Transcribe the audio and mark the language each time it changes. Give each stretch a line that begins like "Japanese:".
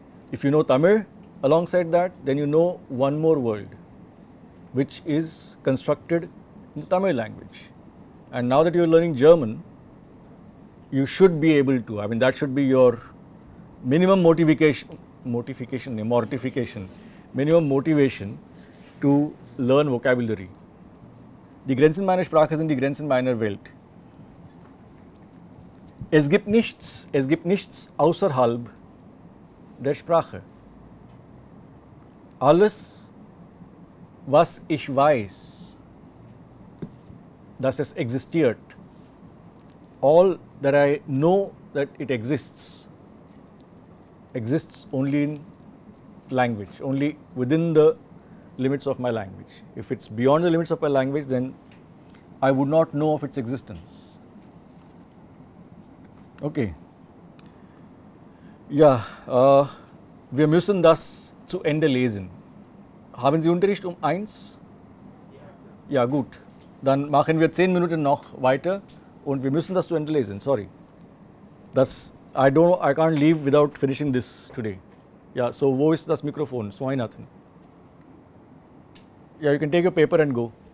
English: If you know Tamil alongside that, then you know one more world, which is constructed in the Tamil language. And now that you are learning German, you should be able to, I mean, that should be your minimum motivation to learn vocabulary.
German: Die Grenzen meiner Sprache sind die Grenzen meiner Welt. Es gibt nichts außerhalb der Sprache. Alles, was ich weiß, dass es existiert,
English: all that I know that it exists only in language, only within the limits of my language. If it's beyond the limits of my language, then I would not know of its existence. Okay.
German: Ja, wir müssen das zu Ende lesen. Haben Sie Unterricht um 1? Ja, gut. Dann machen wir 10 Minuten noch weiter und wir müssen das zu Ende lesen.
English: Sorry. Das, I can't leave without finishing this today.
German: Ja, so wo ist das Mikrofon? Swaminathan.
English: Ja, you can take your paper and go.